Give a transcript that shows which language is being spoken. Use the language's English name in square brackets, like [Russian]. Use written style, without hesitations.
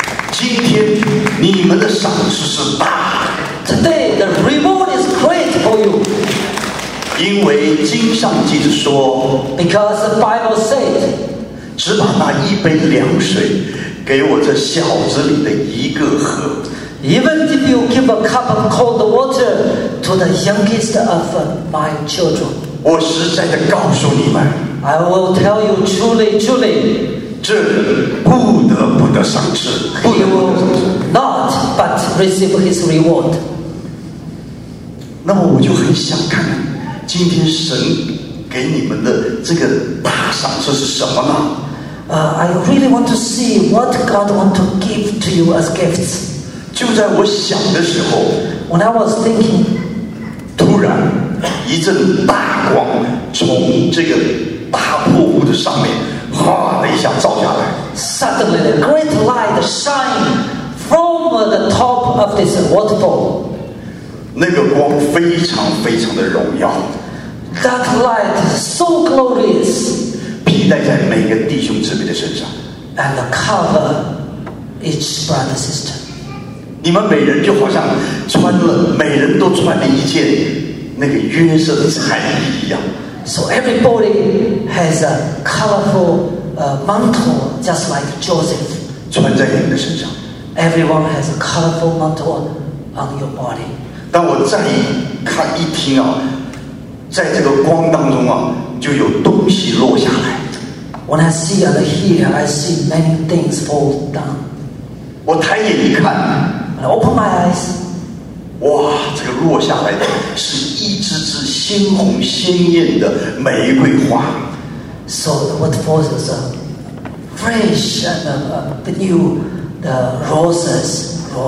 [Chinese] 今天你们的赏赐是大的。 [English] Today the reward is great for you. [Chinese] 因为经上记着说 [English] ，Because the Bible said， [Chinese] 只把那一杯凉水给我这小子里的一个喝。 [English] Even if you give a cup of cold water to the youngest of my children， [Chinese] 我实在地告诉你们 [English] ，I will tell you truly, truly， [Chinese] 这不得不得赏赐 [English] ，He will not but receive his reward。 [Chinese] 那么我就很想看看，今天神给你们的这个大赏赐是什么呢 [English] ？I really want to see what God wants to give to you as gifts。 [Chinese] 就在我想的时候 [English] When I was thinking, [Chinese] 突然一阵大光从这个大瀑布的上面哗的一下照下来 [English] Suddenly a great light shined from the top of this waterfall [Chinese] 那个光非常非常的荣耀 [English] That light is so glorious [Chinese] 披戴在每个弟兄姊妹的身上 [English] And cover each brother and sister [Chinese] 你们每人就好像穿了，每人都穿了一件那个约瑟的彩衣一样。 [English] So everybody has a colorful mantle, just like Joseph. [Chinese] 穿在你们的身上。 [English] Everyone has a colorful mantle on your body. [Chinese] 当我再一看一听啊，在这个光当中啊，就有东西落下来。 [English] When I see and hear, I see many things fall down. [Chinese] 我抬眼一看。 [English] Open my eyes. [Chinese] 哇，这个落下来的是一只只鲜红鲜艳的玫瑰花。 [English] So what falls is fresh and new the roses.